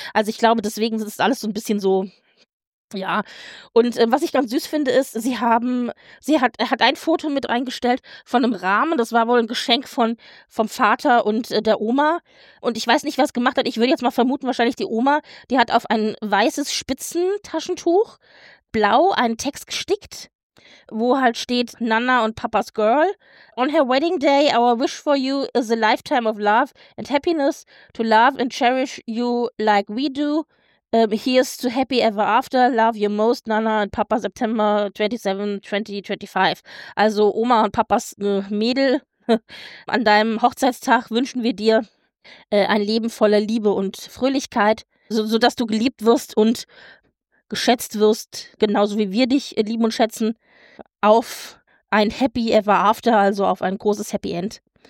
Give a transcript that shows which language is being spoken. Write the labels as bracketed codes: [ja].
[de] Also ich glaube, deswegen ist es alles so ein bisschen so. Ja, und was ich ganz süß finde, ist, er hat ein Foto mit reingestellt von einem Rahmen. Das war wohl ein Geschenk vom Vater und der Oma. Und ich weiß nicht, wer es gemacht hat. Ich würde jetzt mal vermuten, wahrscheinlich die Oma. Die hat auf ein weißes Spitzentaschentuch blau einen Text gestickt. wo halt steht Nana und Papa's Girl. [en] On her wedding day, our wish for you is a lifetime of love and happiness, to love and cherish you like we do. Here's to happy ever after. Love your most, Nana and Papa, September 27, 2025. [de] Also Oma und Papas Mädel, an deinem Hochzeitstag wünschen wir dir ein Leben voller Liebe und Fröhlichkeit, sodass du geliebt wirst und geschätzt wirst, genauso wie wir dich lieben und schätzen, auf ein [en] happy ever after, [de] also auf ein großes Happy End.